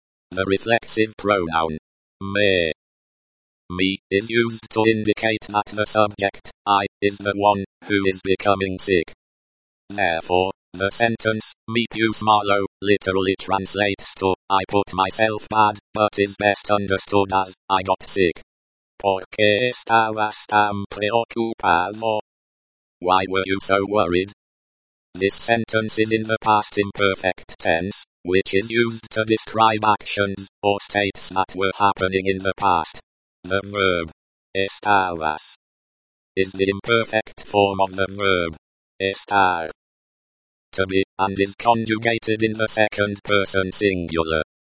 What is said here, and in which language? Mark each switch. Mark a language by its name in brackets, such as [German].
[English] The reflexive pronoun me is used to indicate that the subject, I, is the one who is becoming sick. Therefore, the sentence, [Spanish] me puse malo, [English] literally translates to, I put myself bad, but is best understood as, I got sick. [Spanish] ¿Por qué estabas tan preocupado? [English] Why were you so worried? This sentence is in the past imperfect tense, which is used to describe actions or states that were happening in the past. The verb estabas is the imperfect form of the verb estar to be, and is conjugated in the second person singular.